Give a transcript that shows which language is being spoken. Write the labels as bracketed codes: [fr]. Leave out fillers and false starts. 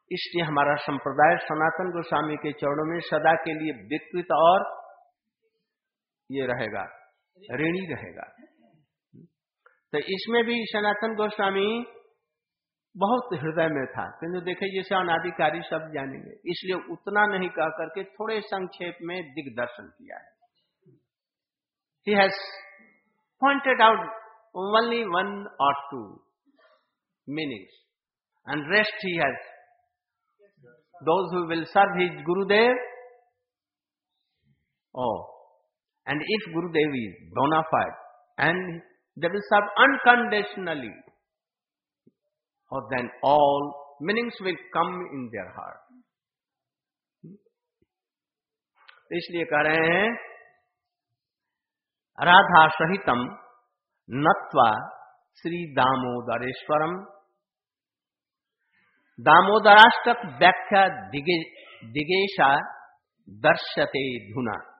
[hi] इसलिए हमारा संप्रदाय सनातन गोस्वामी के चरणों में सदा के लिए विकृत और ये रहेगा, ऋणी रहेगा। तो इसमें भी सनातन गोस्वामी बहुत हृदय में था, किंतु देखे जैसे अनाधिकारी सब जानेंगे, इसलिए उतना नहीं कह करके थोड़े संक्षेप में दिग्दर्शन किया है। [en] He has pointed out only one or two meanings, and rest he has. Those who will serve his Gurudev, oh, and if Gurudev is bona fide, and they will serve unconditionally, oh, then all meanings will come in their heart. [hi] इसलिए कह रहे हैं [sa] राधा सहितम नत्वा श्री दामोदरेश्वरम दामोदराष्टक व्याख्या दिगेशा दर्शते धुना।